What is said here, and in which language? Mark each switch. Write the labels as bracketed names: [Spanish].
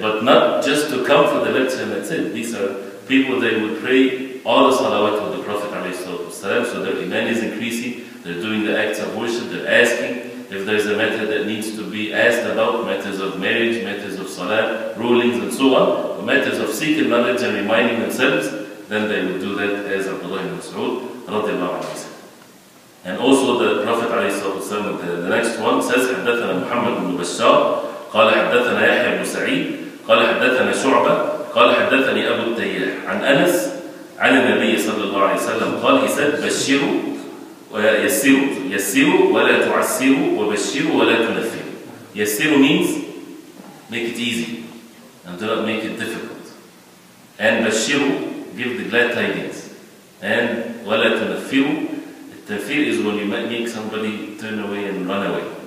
[English] But not just to come for the lecture and that's it. These are people, they would pray all the salawat of the Prophet ﷺ, so their iman is increasing, they're doing the acts of worship, they're asking if there's a matter that needs to be asked about, matters of marriage, matters of salah, rulings and so on, or matters of seeking knowledge and reminding themselves, then they would do that as Abdullah ibn Mas'ud radiallahu anhu. And also the Prophet ﷺ, the next one says, [Arabic] حدثنا محمد بن بشار قال حدثنا يحيى بن سعيد قال حدثنا شعبة قال حدثني أبو التياح عن أنس عن النبي صلى الله عليه وسلم قال إذا بشروا ويسروا يسروا ولا تعسروا وبشروا ولا تنفروا. [English] يسروا means make it easy and do not make it difficult. And بشروا give the glad tidings. And [Arabic] ولا تنفروا, [English] التنفير is when you make somebody turn away and run away.